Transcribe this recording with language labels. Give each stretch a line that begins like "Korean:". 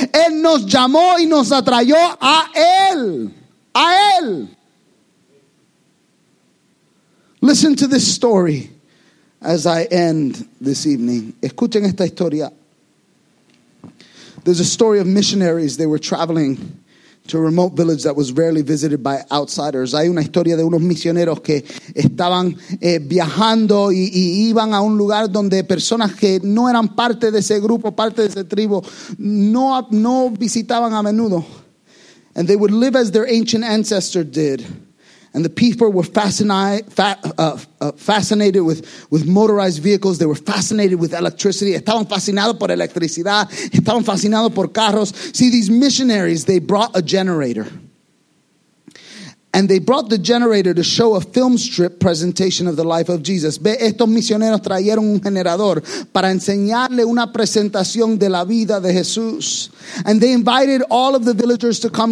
Spanish: Él nos llamó y nos atrayó a Él. A Él.
English: Listen to this story as I end this evening.
Spanish: Escuchen esta historia.
English: There's a story of missionaries. They were traveling to a remote village that was rarely visited by outsiders.
Spanish: Hay una historia de unos misioneros que estaban viajando y iban a un lugar donde personas que no eran parte de ese grupo, parte de ese tribu, no visitaban a menudo.
English: And they would live as their ancient ancestor did. And the people were fascinated with motorized vehicles. They were fascinated with electricity.
Spanish: Estaban fascinados por electricidad. Estaban fascinados por carros.
English: See, these missionaries, they brought a generator. And they brought the generator to show a film strip presentation of the life of Jesus.
Spanish: Ve, estos misioneros trajeron un generador para enseñarle una presentación de la vida de Jesús.
English: And they invited all of the villagers to come.